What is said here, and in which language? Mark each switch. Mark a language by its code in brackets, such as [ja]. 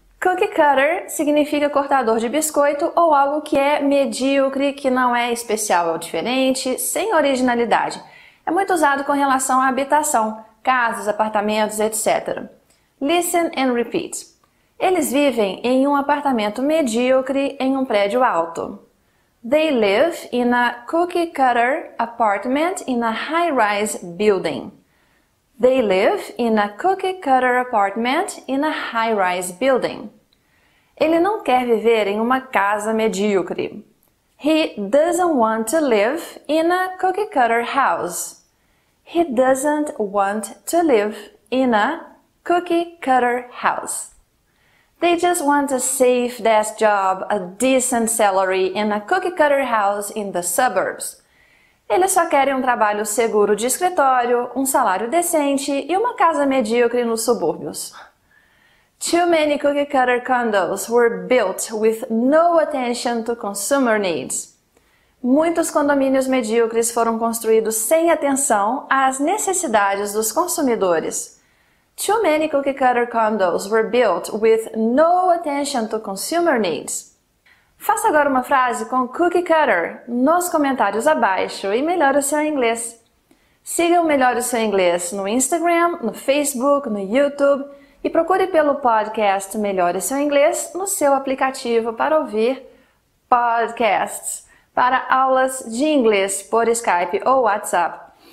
[pt] Cookie cutter significa cortador de biscoito ou algo que é medíocre, que não é especial ou diferente, sem originalidade. É muito usado com relação à habitação, casas, apartamentos, etc. [en] Listen and repeat. [pt] Eles vivem em um apartamento medíocre em um prédio alto. [en] They live in a cookie cutter apartment in a high-rise building. They live in a cookie cutter apartment in a high-rise building. [pt] Ele não quer viver em uma casa medíocre. [en] He doesn't want to live in a cookie cutter house. He doesn't want to live in a cookie cutter house. They just want a safe desk job, a decent salary in a cookie cutter house in the suburbs. [pt] Eles só querem um trabalho seguro de escritório, um salário decente e uma casa medíocre nos subúrbios. [en] Too many cookie cutter condos were built with no attention to consumer needs. [pt] Muitos condomínios medíocres foram construídos sem atenção às necessidades dos consumidores. [en] Too many cookie cutter condos were built with no attention to consumer needs. [pt] Faça agora uma frase com cookie cutter nos comentários abaixo e melhore o seu inglês. Siga o Melhore o Seu Inglês no Instagram, no Facebook, no YouTube e procure pelo podcast Melhore o Seu Inglês no seu aplicativo para ouvir podcasts para aulas de inglês por Skype ou WhatsApp.